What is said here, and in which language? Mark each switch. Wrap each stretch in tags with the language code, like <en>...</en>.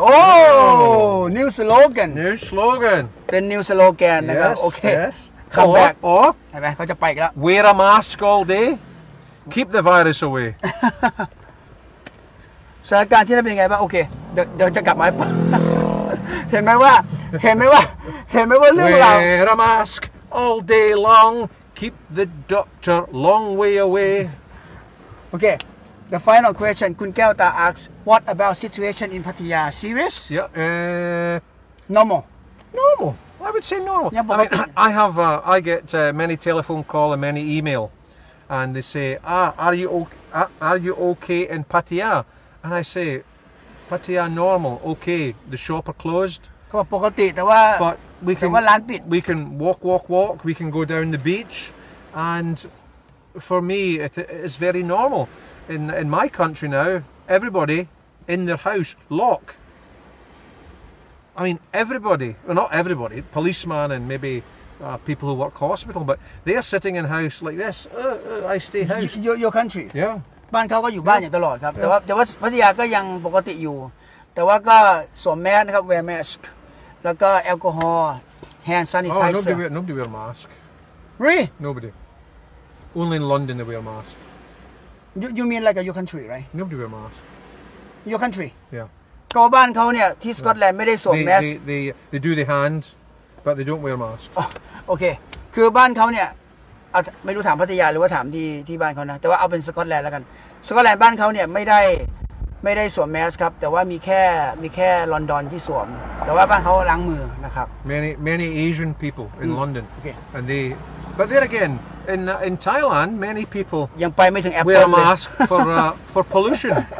<en>Oh new slogan</en> <th>เป็น</th> <en>new slogan yes,</en> <th>นะครับโอเค</th> <en>Come back or</en> <th>ไปเขาจะไปแล้ว</th> <en>Wear a mask all dayKeep the virus away.</en> <th>สถานการณ์ที่นั่นเป็นไงบ้างโอเคเดี๋ยวจะกลับมาเห็นไหมว่าเห็นไหมว่าเรื่องราว</th> <en>Wear a mask all day long. Keep the doctor long way away. Okay. The final question. คุณแก้วตา asks What about situation in Pattaya? Serious? Yeah. Normal. I would say normal. I get many telephone call and many email. And they say, are you okay in Pattaya? And I say, Pattaya normal, okay. The shop are closed. But we can walk. We can go down the beach. And for me, it is very normal. In my country now, everybody in their house, lock. I mean, everybody, well, not everybody, policemen and maybe... people who work hospital, but they are sitting in house like this. I stay house. Your country. Yeah.</en> <th>บ้านเขาก็อยู่บ้านอย่างตลอดครับแต่ว่าพัทยาก็ยังปกติอยู่แต่ว่าก็สวมแมสนะครับ</th> <en>wear mask</en> <th>แล้วก็แอลกอฮอล์ hand sanitizer.</th> <en>Oh, nobody wear mask. Really? Nobody. Only in London they wear mask. You mean like your country, right? Nobody wear mask. Your country. Yeah.</en> <th>ก็บ้านเขาเนี่ยที่สกอตแลนด์ไม่ได้สวมแมส</th> <en>They do the handBut they don't wear masks. Oh, okay.</en> <th>คือบ้านเขาเนี่ยไม่รู้ถามพัทยาหรือว่าถามที่บ้านเขานะแต่ว่าเอาเป็นสกอตแลนด์แล้วกันสกอตแลนด์บ้านเขาเนี่ยไม่ได้สวมแมสครับแต่ว่ามีแค่ลอนดอนที่สวมแต่ว่าบ้านเขาล้างมือนะครับ</th> <en>Many Asian people in London. Okay. And they but then again in Thailand many people</en> <th>ยังไปไม่ถึงแอปเปิ้ล เลย</th> <en>wear mask for pollution.</en>